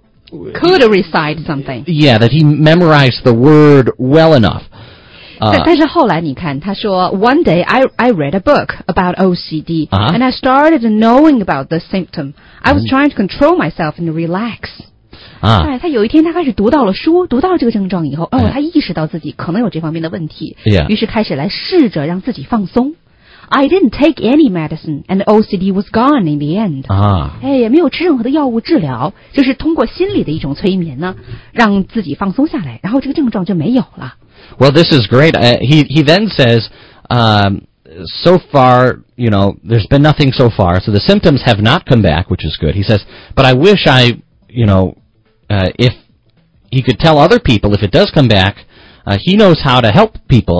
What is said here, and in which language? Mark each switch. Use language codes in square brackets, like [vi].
[en] could recite something. Yeah, that he memorized the word well enough. [zh] 但是后来你看他说 [en] One day I read a book about OCD、 uh-huh. And I started knowing about the symptom I was trying to control myself and relax、 uh-huh. [zh] 他有一天他开始读到了书读到了这个症状以后、uh-huh. 他意识到自己可能有这方面的问题、 [en] yeah. [zh] 于是开始来试着让自己放松 [en] I didn't take any medicine And OCD was gone in the end、 uh-huh. [zh] 哎、也没有吃任何的药物治疗就是通过心理的一种催眠呢让自己放松下来然后这个症状就没有了 [en] Well, this is great. He then says, so far, you know, there's been nothing so far. So the symptoms have not come back, which is good. He says, but I wish I, you know, if he could tell other people if it does come back, he knows how to help people.